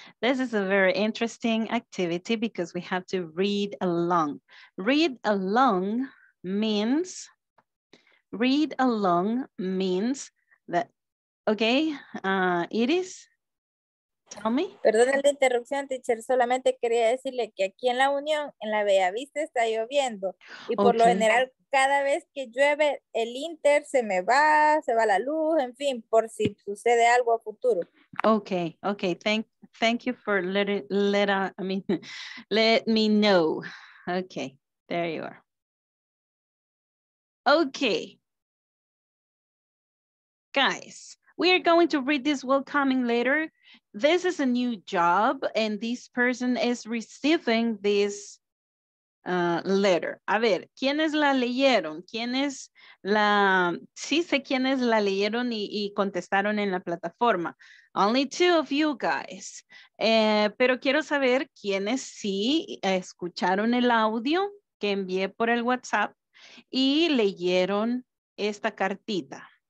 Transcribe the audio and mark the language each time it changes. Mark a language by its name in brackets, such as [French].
[English] This is a very interesting activity because we have to read along. Read along means that, okay, Iris, tell me. [Spanish] Perdón la interrupción, teacher, solamente quería decirle que aquí en la Unión, en la Bellavista, está lloviendo. Y por okay. lo general, cada vez que llueve, el inter se va la luz, en fin, por si sucede algo a futuro. [English] Okay, okay, thank you for let me know. Okay, there you are. Okay. Guys, we are going to read this welcoming letter. This is a new job and this person is receiving this letter. [Spanish] A ver, ¿quiénes la leyeron? ¿Quiénes la, sí sé quiénes la leyeron y contestaron en la plataforma? [English] Only two of you guys. [Spanish] Pero quiero saber quiénes sí escucharon el audio que envié por el WhatsApp y leyeron esta cartita.